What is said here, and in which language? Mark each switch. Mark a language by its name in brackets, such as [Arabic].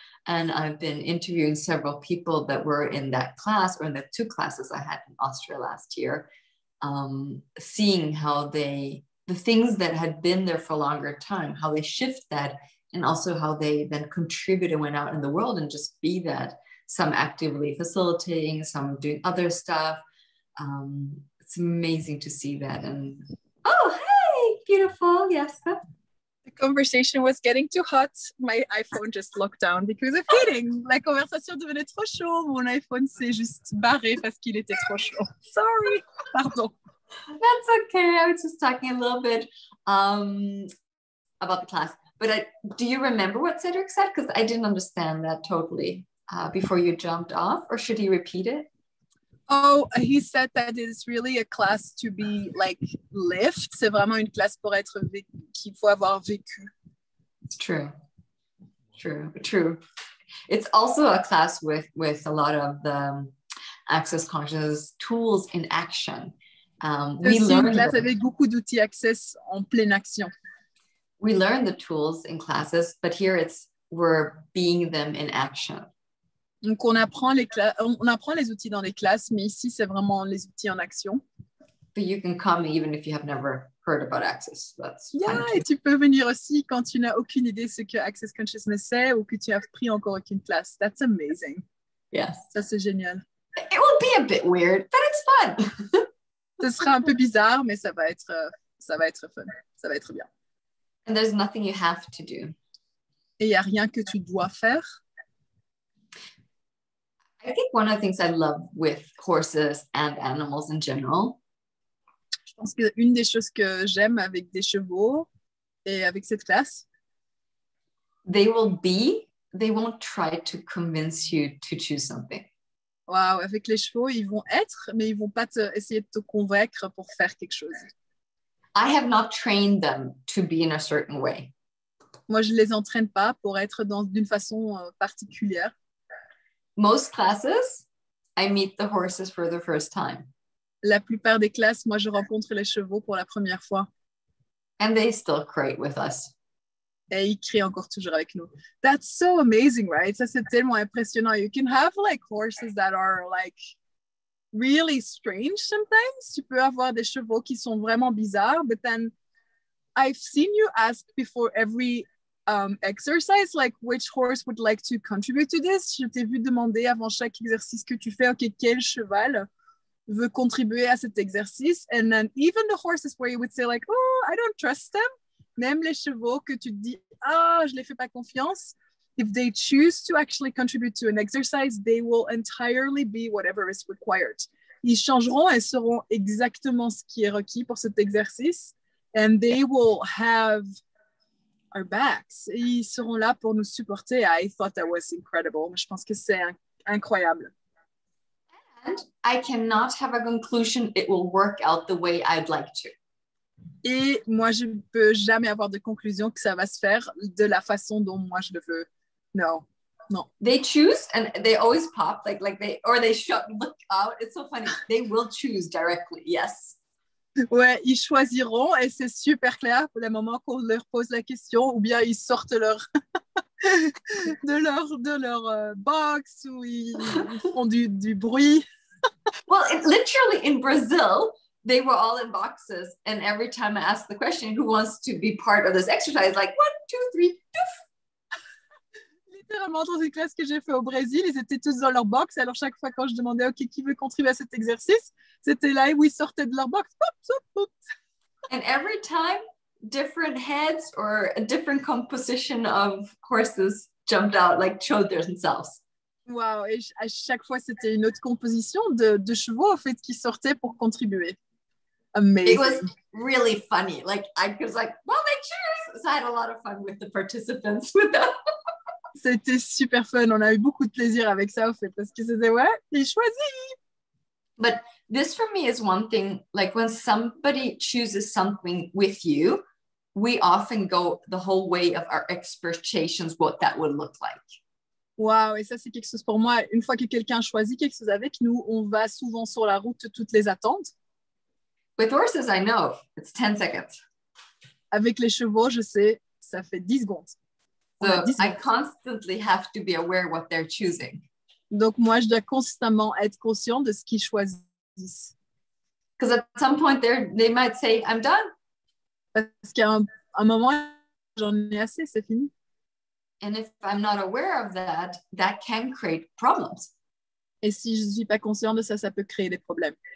[English] And I've been interviewing several people that were in that class, or in the two classes I had in Austria last year, seeing how they, the things that had been there for a longer time, how they shift that, and also how they then contribute and went out in the world and just be that, some actively facilitating, some doing other stuff. It's amazing to see that. And oh, hey, beautiful. Yes. The conversation was getting too hot. My iPhone just locked down because of heating. [French] La conversation devenait trop chaud. Mon iPhone s'est juste barré parce qu'il était trop chaud. [English] Sorry. Pardon. That's okay. I was just talking a little bit about the class. But do you remember what Cedric said? Because I didn't understand that totally before you jumped off. Or should he repeat it? Oh, he said that it's really a class to be like lived. [French] C'est vraiment une classe pour être qu'il faut avoir vécu. [English] It's true. It's also a class with a lot of the access consciousness tools in action. [French] Une classe avec beaucoup d'outils access en pleine action. [English] We learn the tools in classes, but here it's we're being them in action. [French] Donc on apprend les outils dans les classes, mais ici c'est vraiment les outils en action. [English] But you can come even if you have never heard about access. That's [French] yeah, et tu peux venir aussi quand tu n'as aucune idée ce que access consciousness c'est ou que tu as pris encore aucune classe. [English] That's amazing. Yes. [French] Ça c'est génial. It will be a bit weird, but it's fun. Ce sera un peu bizarre, mais ça va être fun. Ça va être bien. [English] And there's nothing you have to do. [French] Et il y a rien que tu dois faire. [English] I think one of the things I love with horses and animals in general. [French] Je pense que une des choses que j'aime avec des chevaux et avec cette classe. [English] They will be. They won't try to convince you to choose something. [French] Wow, avec les chevaux, ils vont être, mais ils vont pas te, essayer de te convaincre pour faire quelque chose. [English] I have not trained them to be in a certain way. [French] Moi, je les entraîne pas pour être dans d'une façon particulière. [English] Most classes, I meet the horses for the first time. [French] La plupart des classes, moi, je rencontre les chevaux pour la première fois. [English] And they still create with us. [French] Et ils créent encore toujours avec nous. [English] That's so amazing, right? [French] Ça, c'est tellement impressionnant. [English] You can have, like, horses that are, like, really strange sometimes. [French] Tu peux avoir des chevaux qui sont vraiment bizarres. [English] But then, I've seen you ask before every exercise, like, which horse would like to contribute to this? [French] Je t'ai vu demander avant chaque exercice que tu fais, OK, quel cheval veut contribuer à cet exercice? [English] And then even the horses where you would say, like, oh, I don't trust them. [French] Même les chevaux que tu te dis, ah, je ne les fais pas confiance. [English] If they choose to actually contribute to an exercise, they will entirely be whatever is required. [French] Ils changeront et seront exactement ce qui est requis pour cet exercice. [English] And they will have our backs. [French] Et ils seront là pour nous supporter. [English] I thought that was incredible. [French] Je pense que c'est incroyable. [English] And I cannot have a conclusion it will work out the way I'd like to. [French] Et moi, je ne peux jamais avoir de conclusion que ça va se faire de la façon dont moi je le veux. Non, non. [English] They choose and they always pop, like they, or they shut, look out. It's so funny. They will choose directly, yes. [French] Ouais, ils choisiront et c'est super clair pour le moment qu'on leur pose la question ou bien ils sortent leur de leur box ou ils font du bruit. [English] Well, it, literally in Brazil, they were all in boxes, and every time I asked the question, who wants to be part of this exercise, like, one, two, three, doof. [French] Littéralement, dans une classe que j'ai fait au Brésil, ils étaient tous dans leur box, alors chaque fois quand je demandais, OK, qui veut contribuer à cet exercice, c'était là, et oui, ils sortaient de leur box, pop, pop, pop. [English] And every time, different heads or a different composition of horses jumped out, like, showed themselves. [French] Wow, et à chaque fois, c'était une autre composition de chevaux, en fait, qui sortaient pour contribuer. [English] Amazing. It was really funny. Like, I was like, well, they choose. So I had a lot of fun with the participants. [French] C'était super fun. On a eu beaucoup de plaisir avec ça, en fait, parce que c'était, ouais, ils choisissent. [English] But this for me is one thing, like, when somebody chooses something with you, we often go the whole way of our expectations, what that would look like. [French] Wow, et ça, c'est quelque chose pour moi. Une fois que quelqu'un choisit quelque chose avec nous, on va souvent sur la route toutes les attentes. [English] With horses, I know. It's 10 seconds. [French] Avec les chevaux, je sais, ça fait 10 secondes. [English] So 10 secondes. I constantly have to be aware of what they're choosing. [French] Donc moi, je dois constamment être conscient de ce qu'ils choisissent. Because at some point, they might say, I'm done. Parce qu'à un moment, j'en ai assez, c'est fini. And if I'm not aware of that, that can create problems. Et si je ne suis pas conscient de ça, ça peut créer des problèmes.